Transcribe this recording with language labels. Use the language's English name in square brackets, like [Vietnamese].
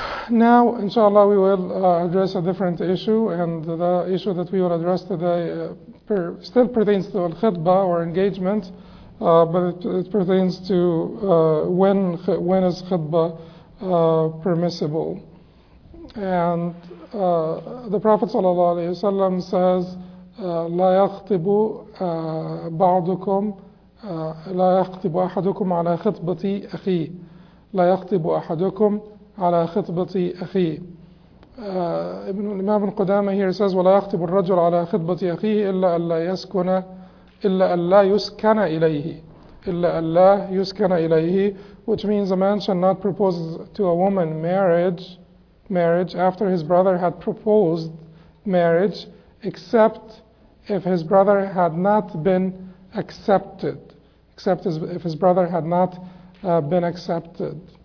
[English] Now, inshallah, we will address a different issue, and the issue that we will address today still pertains to al-khitbah or engagement, but it pertains to when is khitbah permissible. And the Prophet ﷺ says, [Arabic] لَا يَخْطِبُ بَعْضُكُمْ لَا يَخْطِبُ أَحَدُكُمْ عَلَى خِطْبَةِ أَخِيهِ لَا يَخْطِبُ أَحَدُكُمْ عَلَى خِطْبَةِ أَخِيهِ. [English] Ibn Imam al-Qudama here says, [Arabic] وَلَا يَخْطِبُ الرَّجُلْ عَلَى خِطْبَةِ أَخِيهِ إِلَّا أَلَّا يَسْكُنَ إِلَّا أَلَّا يُسْكَنَ إِلَيْهِ [English] إِلَّا أَلَّا يُسْكَنَ إِلَيْهِ, which means a man shall not propose to a woman marriage after his brother had proposed marriage, except if his brother had not been accepted, except if his brother had not been accepted.